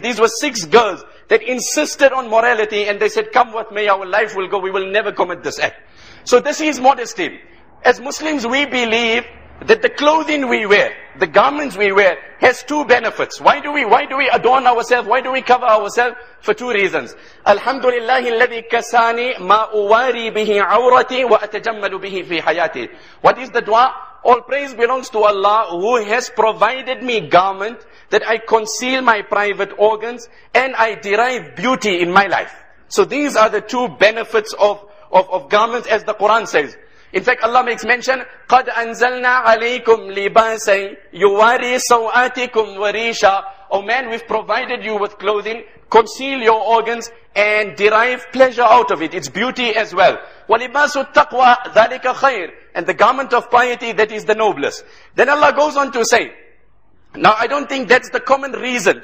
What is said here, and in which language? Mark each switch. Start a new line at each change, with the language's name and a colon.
English: These were six girls that insisted on morality, and they said, come what may, our life will go. We will never commit this act. So this is modesty. As Muslims, we believe that the clothing we wear, the garments we wear, has two benefits. Why do we adorn ourselves? Why do we cover ourselves? For two reasons.
Arabic: Alhamdulillah, الَّذِي كَسَانِي مَا أُوَارِي بِهِ عَوْرَتِي وَأَتَجَمَّلُ بِهِ فِي حَيَاتِي.
English: What is the dua? All praise belongs to Allah who has provided me garment that I conceal my private organs and I derive beauty in my life. So these are the two benefits of garments, as the Quran says. In fact, Allah makes mention,
Arabic: قَدْ أَنزَلْنَا عَلَيْكُمْ لِبَاسًا يُوَارِي سَوْآتِكُمْ وَرِيشًا.
English: Oh man, we've provided you with clothing, conceal your organs and derive pleasure out of it. It's beauty as well.
Arabic: وَلِبَاسُ التَّقْوَى ذَلِكَ خَيْرٍ.
English: And the garment of piety, that is the noblest. Then Allah goes on to say, now I don't think that's the common reason.